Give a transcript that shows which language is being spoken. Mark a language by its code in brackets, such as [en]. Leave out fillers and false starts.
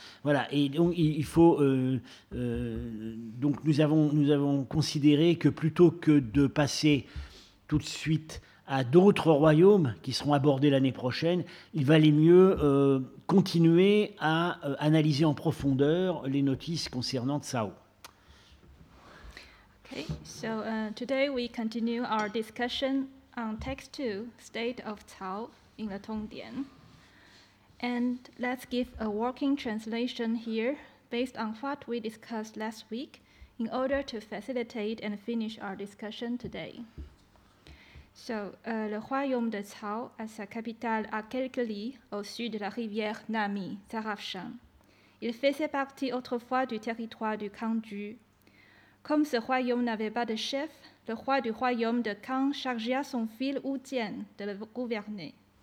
[fr] Voilà, et donc il faut donc nous avons considéré que plutôt que de passer tout de suite à d'autres royaumes qui seront abordés l'année prochaine, il valait mieux continuer à analyser en profondeur les notices concernant Cao. [en] Okay, so today we continue our discussion on text 2, state of Cao in the Tongtian. And let's give a working translation here based on what we discussed last week in order to facilitate and finish our discussion today. [fr] So, le royaume de Cao a sa capitale à quelques lis au sud de la rivière Nami, Zarafshan. Il faisait partie autrefois du territoire du Kang Ju. Comme ce royaume n'avait pas de chef, le roi du royaume de Kang chargea son fils Wu Jian de le gouverner.